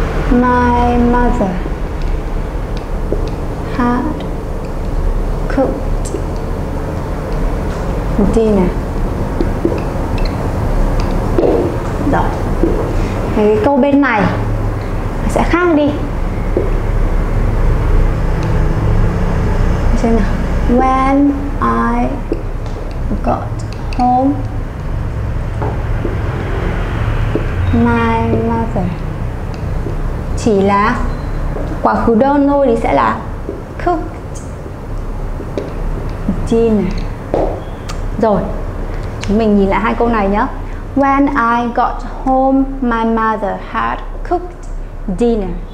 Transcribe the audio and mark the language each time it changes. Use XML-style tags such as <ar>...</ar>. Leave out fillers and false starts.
<en>My mother had cooked dinner.</en> <vi>Rồi. Cái câu bên này sẽ khác đi. Xem nào.</vi> <en>When I got home, my mother.</en> <vi>Chỉ là quá khứ đơn thôi thì sẽ là</vi> <en>cooked dinner.</en> <vi>Rồi, mình nhìn lại hai câu này nhé.</vi> <en>When I got home, my mother had cooked dinner.</en>